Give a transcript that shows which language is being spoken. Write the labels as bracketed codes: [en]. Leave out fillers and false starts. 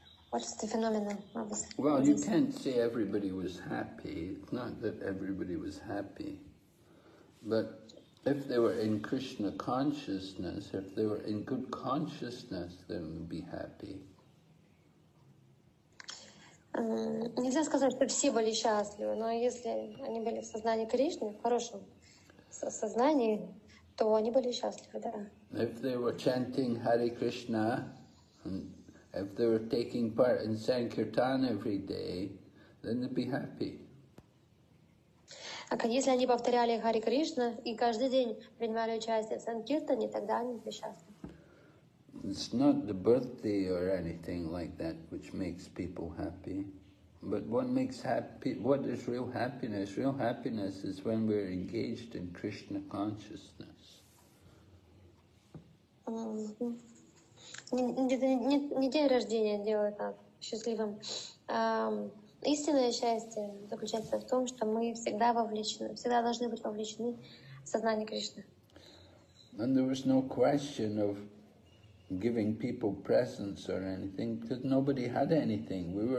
[en] What's the phenomenon? Well, you can't say everybody was happy. It's not that everybody was happy. But if they were in Krishna consciousness, if they were in good consciousness, then would be happy. [ru] Нельзя сказать, что все были счастливы, но если они были в сознании Кришны, в хорошем сознании, то они были счастливы, да. [en] If they were chanting Hare Krishna, and if they were taking part in Sankirtan every day, then they'd be happy. [ru] А если они повторяли Хари Кришна и каждый день принимали участие в Санкиртане, тогда они были счастливы. [en] It's not the birthday or anything like that which makes people happy. But what makes happy, what is real happiness? Real happiness is when we're engaged in Krishna consciousness. [ru] Не день рождения делает нас счастливым. Истинное счастье заключается в том, что мы всегда вовлечены, всегда должны быть вовлечены в сознание Кришны. [en] And there was no question of giving people presents or anything, because nobody had anything.